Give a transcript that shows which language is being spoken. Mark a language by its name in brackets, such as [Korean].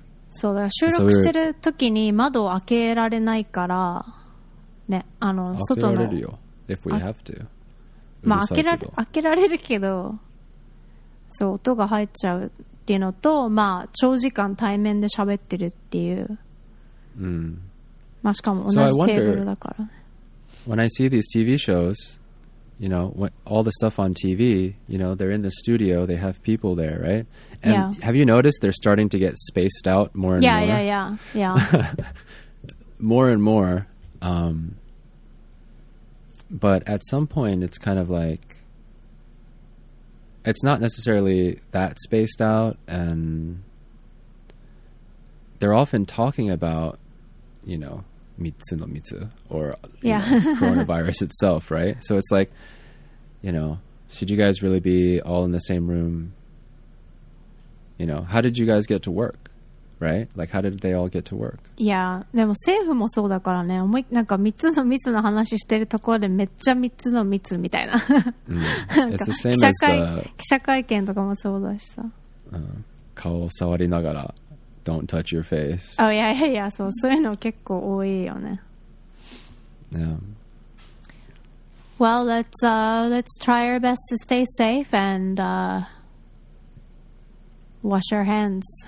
[Japanese] そうだから収録してる時に窓を開けられないからね、あの外の開けられるよ [English] if we have to、 [Japanese] まあ、開けられるけど、そう、音が入っちゃうっていうのと、まあ長時間対面で喋ってるっていう、うん、まあしかも同じテーブルだから、 [English] so、I wonder, when I see these TV shows, you know, all the stuff on TV, you know, they're in the studio, they have people there, right? And、 yeah. have you noticed they're starting to get spaced out more and more? Yeah. More and more. But at some point, it's kind of like, it's not necessarily that spaced out, and they're often talking about, you know,Mitsu no Mitsu, or you know, coronavirus itself, right? So it's like, you know, should you guys really be all in the same room? You know, how did you guys get to work, right? Like, how did they all get to work? [Japanese] Yeah, でも政府もそうだからね、思い、なんか3つの3つの話してるところでめっちゃ3つの3つみたいな。 [English] It's the same as the [Japanese] 記者会見とかもそうだしさ。顔を触りながら。 [English] Don't touch your face. Oh, yeah, yeah, yeah. [Japanese] So, そういうの結構多いよね。 [English] Yeah. Well, let's try our best to stay safe and wash our hands.